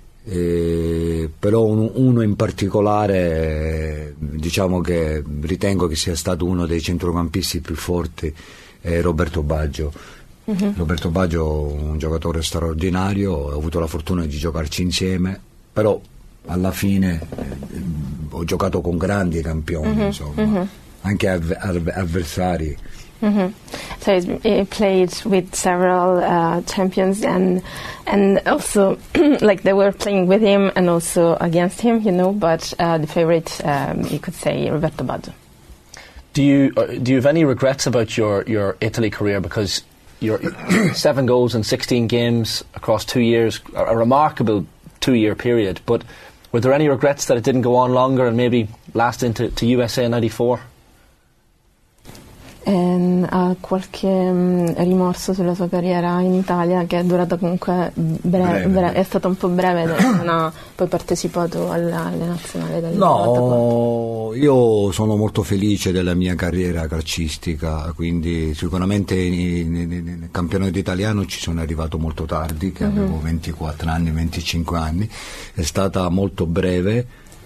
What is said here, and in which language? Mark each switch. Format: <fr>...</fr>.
<it>Però uno in particolare, diciamo che ritengo che sia stato uno dei centrocampisti più forti, è Roberto Baggio. Roberto Baggio, un giocatore straordinario, ho avuto la fortuna di giocarci insieme, però alla fine ho giocato con grandi campioni, insomma, anche avversari.</it> <en>So he played with several champions and also like they were playing with him and also against him, you know, but the favorite you could say Roberto Baggio. Do you have any regrets about your Italy career, because your 7 goals in 16 games across 2 years, a remarkable 2 year period, but were there any regrets that it didn't go on longer and maybe last into USA 94?</en> <it>Ha qualche rimorso sulla sua carriera in Italia, che è durata comunque breve. È stato un po' breve, non ha poi partecipato alla nazionale del 94. No, io sono molto felice della mia carriera calcistica, quindi sicuramente nel campionato italiano ci sono arrivato molto tardi, che avevo 24 anni, 25 anni, è stata molto breve.</it>